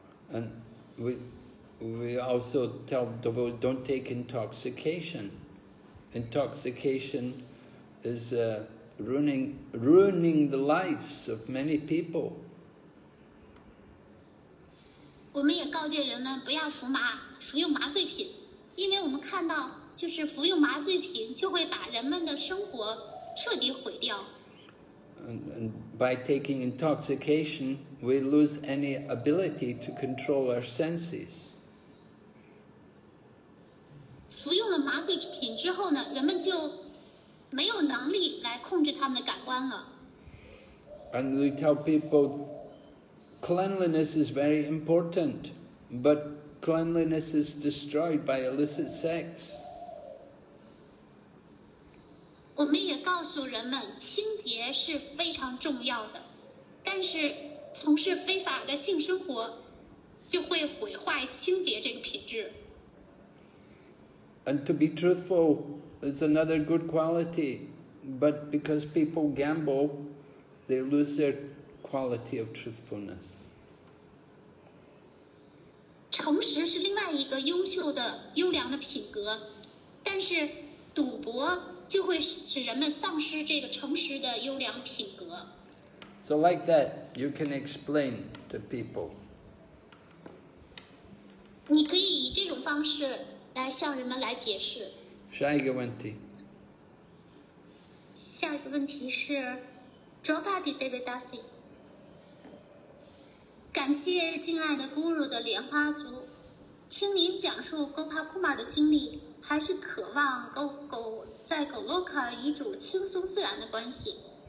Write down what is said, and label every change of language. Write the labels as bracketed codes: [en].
[en] And we also tell devotees don't take intoxication. Intoxication is ruining the lives of many people. [zh] 我们也告诫人们不要服用麻醉品，因为我们看到就是服用麻醉品就会把人们的生活。彻底毁掉。 [en] And by taking intoxication, we lose any ability to control our senses. [zh] 服用了麻醉品之后呢，人们就没有能力来控制他们的感官了。 [en] And we tell people cleanliness is very important, but cleanliness is destroyed by illicit sex. [zh] 我们也告诉人们清洁是非常重要的，但是从事非法的性生活就会毁坏清洁这个品质。 [en] And to be truthful is another good quality, but because people gamble, they lose their quality of truthfulness. [zh] 诚实是另外一个优秀的、优良的品格，但是赌博就会使人们丧失这个诚实的、优良品格。 [en] So like that, you can explain to people. [zh] 你可以以这种方式来向人们来解释。下一个问题。下一个问题是 ，Jopati Devadasi， 感谢敬爱的 Guru 的莲花族，听您讲述 Gopal Kumar 的经历，还是渴望 在 Goloka 与主轻松自然的关系。